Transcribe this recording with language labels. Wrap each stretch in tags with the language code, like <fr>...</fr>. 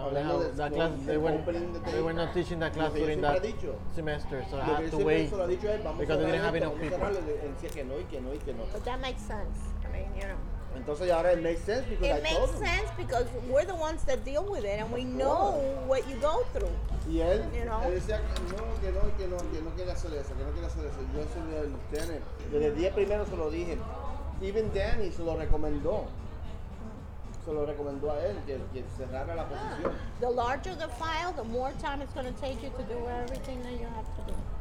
<en>They were not teaching that class during that semester, so I had to wait because they didn't have enough people. But that makes sense. I mean, you know.</en> <es>Entonces ahora</es> <en>it makes sense because it makes sense because we're the ones that deal with it and we know what you go through. Yes. You know.</en> <es>No quiere hacer eso, que no quiere hacer eso. Yo soy el tenor. Desde el día primero se lo dije. Even Danny se lo recomendó. Se lo recomendó a él que cerrara la posición.</es> <en>The larger the file, the more time it's going to take you to do everything that you have to do.</en>